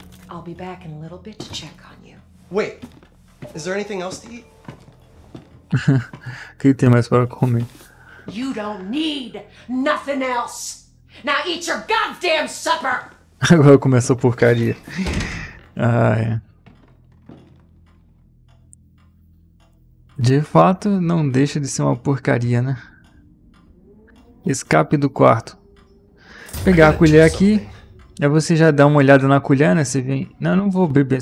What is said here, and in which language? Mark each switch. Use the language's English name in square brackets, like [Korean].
[English] I'll be back in a little bit to check on you. Wait, is there anything else to eat? [Portuguese] O que tem mais para comer? [English] You don't need nothing else. Now eat your goddamn supper! [Portuguese] Agora começou a porcaria. Ah, é. De fato, não deixa de ser uma porcaria, né? Escape do quarto. Pegar a colher aqui. Aí você já dá uma olhada na colher, né? Você vem... Não, não vou beber.